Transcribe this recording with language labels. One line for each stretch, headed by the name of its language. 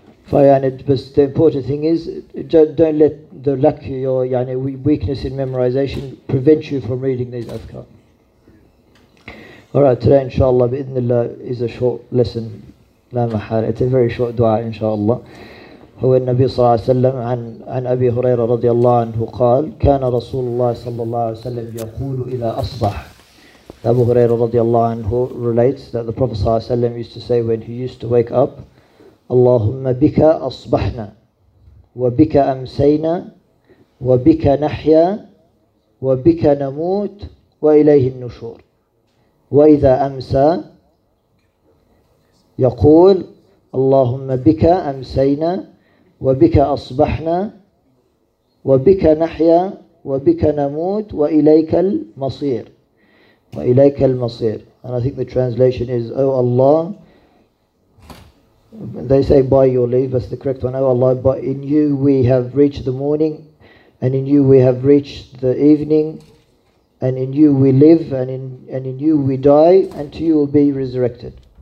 English: But the important thing is, don't let the lack of your weakness in memorization prevent you from reading these Adhkar. Alright, today inshaAllah, bi-idhnillah, is a short lesson. La mahala, it's a very short dua inshaAllah.
Arabic: هو النبي صلى الله عليه وسلم عن أبي هريرة رضي الله عنه قال كان رسول الله صلى الله عليه وسلم يقول إذا أصبح أبو هريرة رضي الله عنه
English: relates that the Prophet صلى الله عليه وسلم used to say when he used to wake up
Arabic: اللهم بك أصبحنا وبك أمسينا وبك نحيا وبك نموت وإليه النشور وإذا أمسى يقول اللهم بك أمسينا وبك أصبحنا وبك نحيا وبك نموت وإليك المصير وإليك المصير.
English: And I think the translation is Oh Allah, they say by your leave, but the correct one, Oh Allah, but in you we have reached the morning and in you we have reached the evening and in you we live and in you we die and to you will be resurrected.